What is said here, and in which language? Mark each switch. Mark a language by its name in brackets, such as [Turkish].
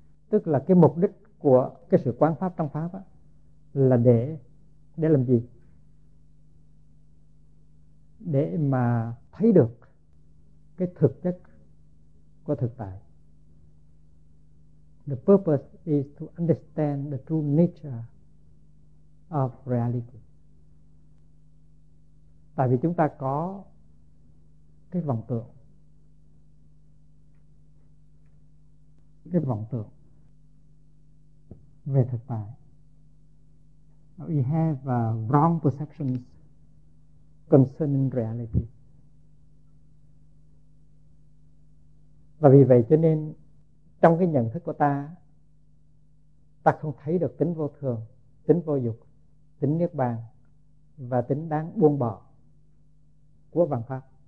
[Vietnamese] Tức là cái mục đích của cái sự quán pháp trong pháp á, là để làm gì? Để mà thấy được cái thực chất của thực tại. [English] The purpose is to understand the true nature of reality. [Vietnamese] Tại vì chúng ta có cái vọng tưởng. Cái vọng tưởng về thực tại. [English] We have wrong perceptions concerning reality. [Vietnamese] Và vì vậy cho nên trong cái nhận thức của ta, ta không thấy được tính vô thường, tính vô dục, tính niết bàn và tính đáng buông bỏ của vạn pháp.